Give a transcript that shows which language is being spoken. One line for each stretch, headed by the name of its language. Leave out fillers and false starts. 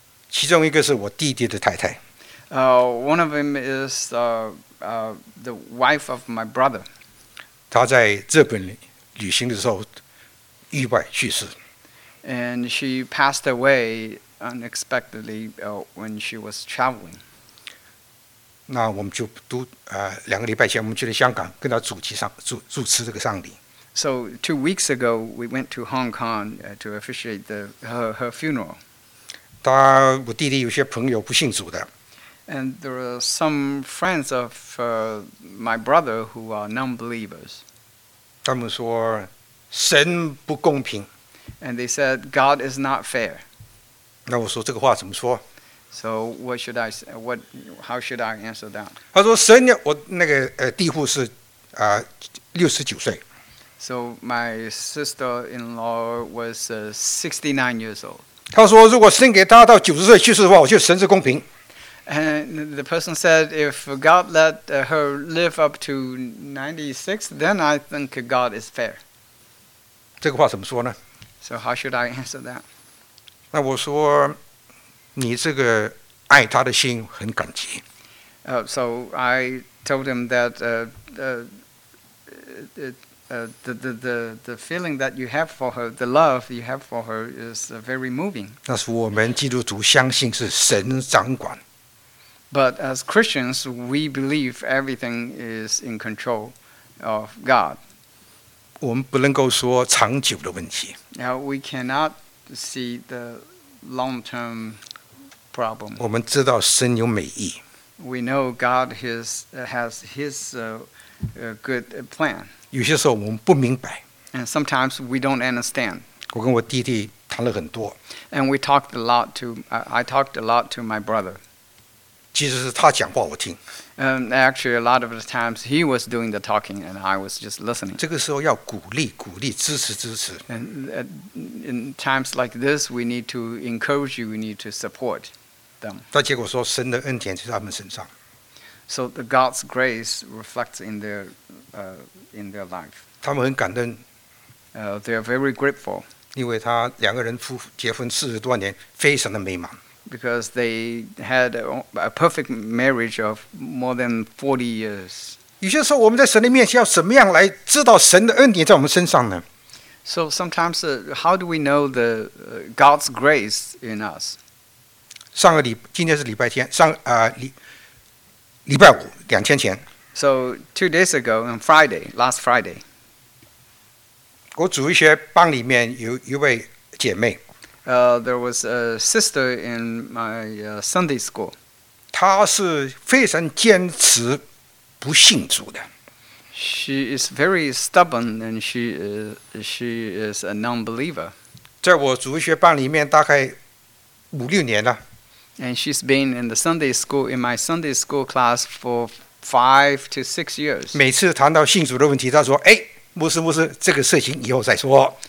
Chinese: 其中一个是我弟弟的太太。
English: One of them is the wife of my brother.
Chinese: 他在日本旅行的时候意外去世。
English: And she passed away unexpectedly when she was traveling.
Chinese: 那我们就都两个礼拜前我们去了香港跟他主持这个丧礼。
English: So 2 weeks ago we went to Hong Kong to officiate her funeral.
Chinese: 我弟弟有些朋友不信主的。
English: And there are some friends of my brother who are non-believers.
Chinese: 他们说神不公平。
English: And they said God is not fair.
Chinese: 那我说这个话怎么说？
English: So what should I say? What? How should I answer that?
Chinese: 他说神呢，我那个弟父是69岁。
English: So my sister-in-law was 69 years old.
Chinese: 他说如果神给他到九十岁去世的话，我觉得神是公平。
English: And the person said, if God let her live up to 96, then I think God is fair.
Chinese: 这个话怎么说呢？
English: So how should I answer that?
Chinese: 那我说。你这个爱他的心很感激。
English: So I told him that the feeling that you have for her, the love you have for her, is very moving.
Chinese: 那是我们基督徒相信是神掌管。
English: But as Christians, we believe everything is in control of God.
Chinese: 我们不能够说长久的问题。
English: Now we cannot see the long-term problem.
Chinese: 我们知道神有美意。
English: We know God has his good plan.
Chinese: 有些时候我们不明白。
English: And sometimes we don't understand.
Chinese: 我跟我弟弟谈了很多。
English: And we talked a lot to, I talked a lot to my brother.
Chinese: 其实是他讲话我听。
English: Actually, a lot of the times he was doing the talking and I was just listening.
Chinese: 这个时候要鼓励鼓励支持支持。
English: And in times like this, we need to encourage you, we need to support them.
Chinese: 但结果说神的恩典在他们身上。
English: So the God's grace reflects in their life.
Chinese: 他们很感恩。
English: They are very grateful.
Chinese: 因为他两个人夫结婚四十多年非常的美满。
English: Because they had a perfect marriage of more than 40 years.
Chinese: 有些时候我们在神的面前要怎么样来知道神的恩典在我们身上呢？
English: So sometimes, how do we know the God's grace in us?
Chinese: 上个礼今天是礼拜天，上啊、礼拜五两天前。
English: So 2 days ago on Friday, last Friday.
Chinese: 我主日学班里面有一位姐妹。
English: There was a sister in my Sunday school.
Chinese: 她是非常坚持不信主的。
English: She is very stubborn and she is a non-believer.
Chinese: 在我主学班里面大概五六年了。
English: And she's been in the Sunday school, in my Sunday school class for 5 to 6 years.
Chinese: 每次谈到信主的问题，她说：“哎。” 牧师，牧师，这个事情以后再说。